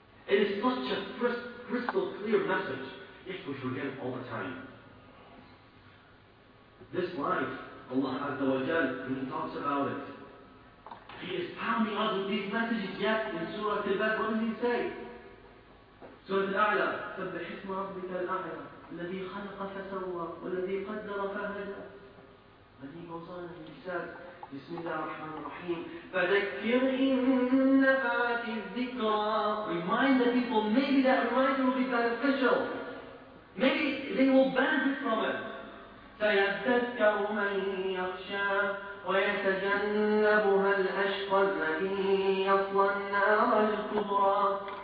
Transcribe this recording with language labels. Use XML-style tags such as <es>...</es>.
<en>It is such a crystal clear message if we forget it all the time. This life, Allah Azza wa Jalla, when He talks about it, He is pounding us with these messages. Yet in Surah Al-Baqarah, what does He say?</en> <ar>Surah Al-A'la, سَبِّحِ اسْمَ رَبِّكَ الْأَعْلَى الَّذِي خَلَقَ فَسَوَّى وَالَّذِي قَدَّرَ فَهَدَى.</ar> <en>And He goes on and He says,</en> <ar>بسم الله الرحمن الرحيم فَذَكِّرْ إِنَّ نَفَعَتِ الذِّكْرَى.</ar> <en>Remind the people, maybe that reminder will be beneficial. Maybe they will benefit from it.</en> <ar>سَيَذَّكَّرُ مَن يَخْشَى وَيَتَجَنَّبُهَا الْأَشْقَى الَّذِي يَصْلَى النَّارَ الْكُبْرَى.</ar>